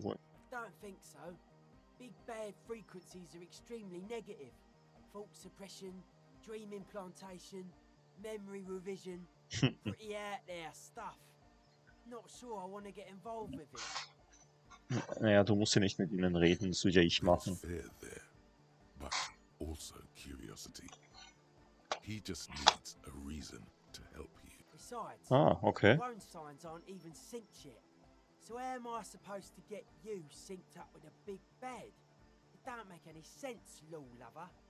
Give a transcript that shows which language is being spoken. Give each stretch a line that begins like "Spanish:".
English: Don't think so. Big bad frequencies are extremely negative. Thought suppression, dream implantation, memory revision. Pretty out there stuff. Not sure I want to get involved with it.
German: Naja, du musst ja nicht mit ihnen reden, das würde ja ich machen.
English: Fear there, but also curiosity. He just needs a reason to help you. Besides, ah, okay. Your own signs aren't even synced yet. So how am I supposed to get you synced up with a big bed? It don't make any sense, law lover.